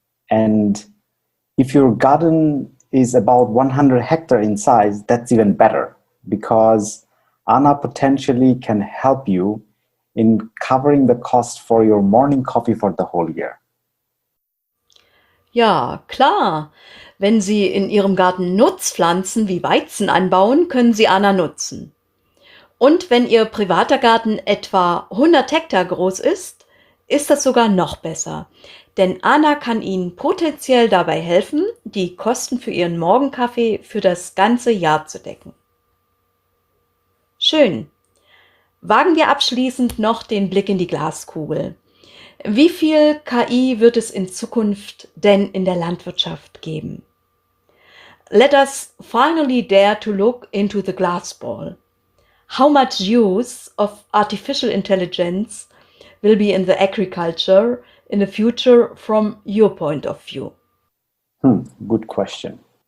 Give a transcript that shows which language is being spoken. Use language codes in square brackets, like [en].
[en] And if your garden is about 100 hectares in size, that's even better. Because Anna potentially can help you in covering the cost for your morning coffee for the whole year. [de] Ja, klar. Wenn Sie in Ihrem Garten Nutzpflanzen wie Weizen anbauen, können Sie Anna nutzen. Und wenn Ihr privater Garten etwa 100 Hektar groß ist, ist das sogar noch besser. Denn Anna kann Ihnen potenziell dabei helfen, die Kosten für Ihren Morgenkaffee für das ganze Jahr zu decken. Schön. Wagen wir abschließend noch den Blick in die Glaskugel. Wie viel KI wird es in Zukunft denn in der Landwirtschaft geben? [en] Let us finally dare to look into the glass ball. How much use of artificial intelligence will be in the agriculture in the future from your point of view? Good question.